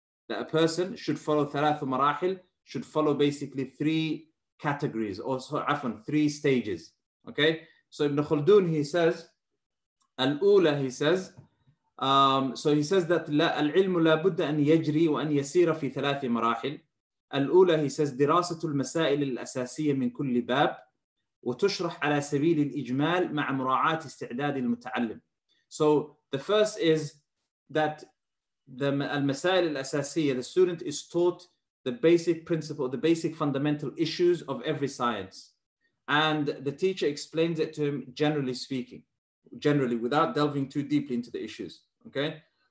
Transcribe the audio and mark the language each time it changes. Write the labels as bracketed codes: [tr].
[en] That a person should follow [ar] thalathu marahil, [en] should follow basically three categories, or so often three stages. Okay, so Ibn Khaldun, he says, [ar] al-ula, he says, [en] so he says that [ar] al-ilmu la budda an yajri wa an yasira fi thalathi marahil. الأولى هي says دراسة المسائل الأساسية من كل باب وتشرح على سبيل الإجمال مع مراعاة استعداد المتعلم. [en] So the first is that the [ar] المسائل الأساسية, [en] the student is taught the basic principle, the basic fundamental issues of every science, and the teacher explains it to him generally speaking, generally without delving too deeply into the issues. Okay.